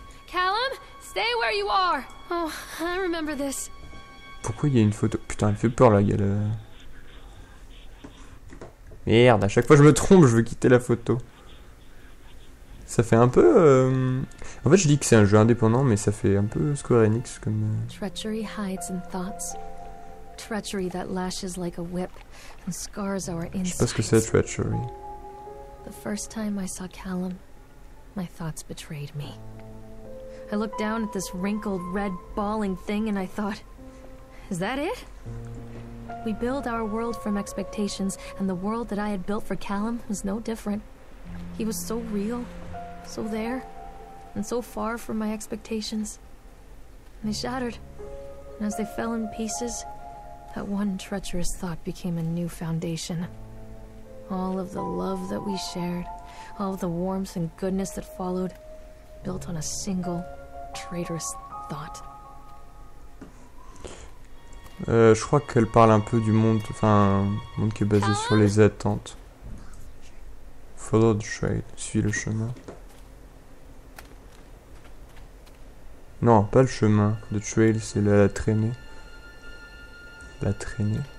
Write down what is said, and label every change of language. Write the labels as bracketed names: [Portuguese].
[English] Callum, stay where you are. Oh, I remember this. [French] Pourquoi il y a une photo ? Putain, elle fait peur la gueule. Merde, à chaque fois je me trompe, je veux quitter la photo. Ça fait un peu... En fait, je dis que c'est un jeu indépendant, mais ça fait un peu Square Enix comme... [English] Treachery hides in thoughts. Treachery that lashes like a whip and scars our insides. [French] Je sais pas ce que c'est, treachery. [English] The first time I saw Callum, my thoughts betrayed me. I looked down at this wrinkled, red, bawling thing and I thought, is that it? We build our world from expectations, and the world that I had built for Callum was no different. He was so real, so there, and so far from my expectations. And they shattered, and as they fell in pieces, that one treacherous thought became a new foundation. All of the love that we shared, all of the warmth and goodness that followed, built on a single, traitorous thought. [French] Je crois qu'elle parle un peu du monde, enfin, monde qui est basé sur les attentes. [English] Follow the trail, [French] suis le chemin. Non, pas le chemin. [English] The trail, [French] c'est la traînée. La traînée.